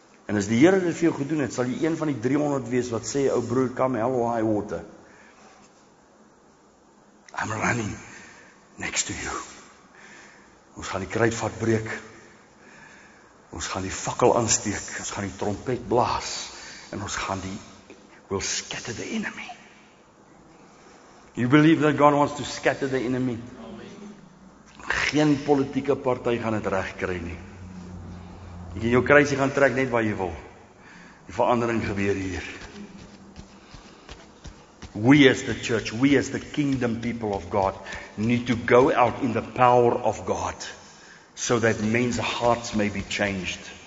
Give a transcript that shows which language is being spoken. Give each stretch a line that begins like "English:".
Afrikaans: En as die Here dit vir jou gedoen het, sal jy een van die 300 wees wat sê, ou broer,
English: come hell or high water. I'm running next to you.
Afrikaans: Ons gaan die kruitvat breek. Ons gaan die fakkel aansteek. Ons gaan die trompet blaas. En ons gaan die,
English: we'll scatter the enemy. You believe that God wants to scatter the enemy?
Afrikaans: Geen politieke partij gaan het recht krijgen. Nie. Jy kan jou kruisie gaan trek net waar jy wil. Die verandering gebeur hier.
English: We as the church, we as the kingdom people of God, need to go out in the power of God, so that men's hearts may be changed.